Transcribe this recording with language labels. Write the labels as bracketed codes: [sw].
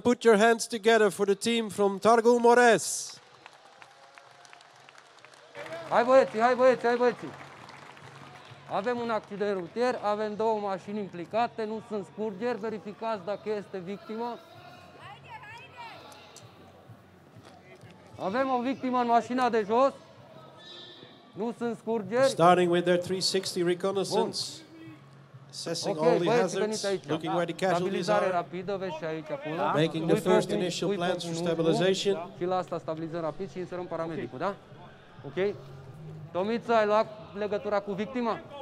[en] Put your hands together for the team from Târgu Mureș. [ro] Hai băieți, hai băieți, hai băieți. Avem un accident rutier, avem două mașini implicate, nu sunt scurgeri, verificați dacă este victimă. Avem o victimă în mașina de jos. Nu sunt scurgeri. [en] Starting with their 360 reconnaissance. Assessing okay, all the hazards, looking where the casualties are, [ro] rapidă, aici, da? [en] Making the first initial plans for stabilization. [ro] Și la asta stabilizăm rapid și inserăm paramedicul, da? Ok. Tomiță, ai luat legătura cu victima?